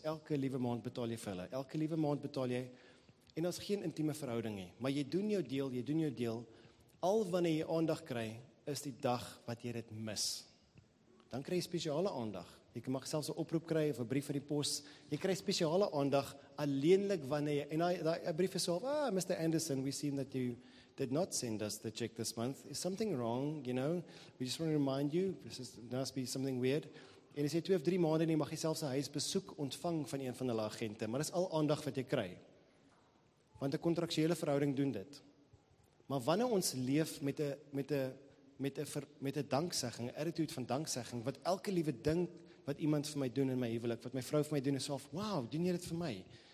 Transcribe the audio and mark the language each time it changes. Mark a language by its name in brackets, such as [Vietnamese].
[Afrikaans] Elke liewe maand betaal jy vir hulle. Elke liewe maand betaal jy, en daar's geen intieme verhouding nie. Maar jy doen jou deel, jy doen jou deel. Al wanneer jy aandag kry, is die dag wat jy dit mis. Dan kry jy spesiale aandag. Jy mag selfs 'n oproep kry of 'n brief vir die pos. Jy kry spesiale aandag alleenlik wanneer jy, en daai brief is so, Mr. [English] Anderson, we seen that you did not send us the check this month. Is something wrong, you know? We just want to remind you, this is, must be something weird. [Afrikaans] En as jy 2 of 3 maande nie, mag jy selfs 'n huisbesoek ontvang van een van hulle agente, maar dis al aandag wat jy kry. Want 'n kontraktuele verhouding doen dit. Maar wanneer ons leef met 'n danksegging, 'n attitude van danksegging, wat elke liewe ding wat iemand vir my doen in my huwelik, wat my vrou vir my doen, is wow, doen jy dit vir my?